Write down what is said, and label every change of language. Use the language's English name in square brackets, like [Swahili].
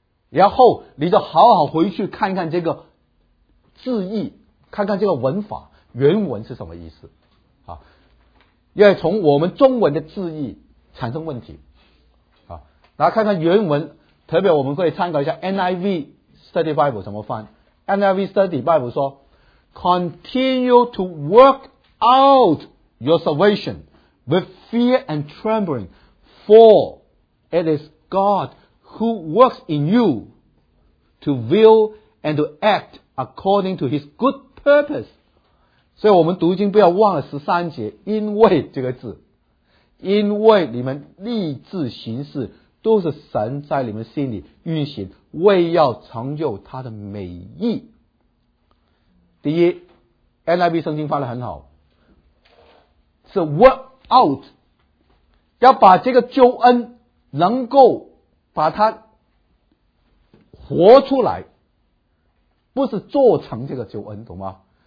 [Chinese] 然后你就好好回去看看这个字义，看看这个文法原文是什么意思，啊，因为从我们中文的字义产生问题，啊，然后看看原文，特别我们可以参考一下 NIV Study Bible 怎么翻。 [English] NIV Study Bible 说 Continue to work out your salvation with fear and trembling, for it is GodWho works in you to will and to act according to his good purpose. [Chinese] 所以我们读经不要忘了十三节，因为这个字，因为你们立志行事都是神在你们心里运行，为要成就他的美意。第一 NIV 圣经翻得很好，是 [English] work out， [Chinese] 要把这个救恩能够把它活出来，不是做成这个救恩，懂吗？